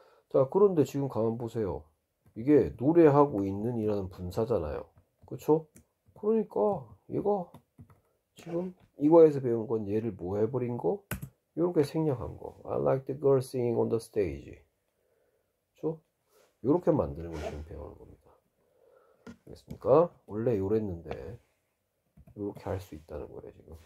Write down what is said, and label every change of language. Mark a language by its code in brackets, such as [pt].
[ko] 자, 그런데 지금 가만 보세요. 이게 노래하고 있는이라는 분사잖아요. 그쵸? 그러니까 얘가 지금 이과에서 배운 건 얘를 뭐 해버린 거? 요렇게 생략한 거. [en] I like the girl singing on the stage. [ko] 그쵸? 요렇게 만드는 걸 지금 배우는 겁니다. 알겠습니까? 원래 요랬는데 요렇게 할수 있다는 거예요, 지금.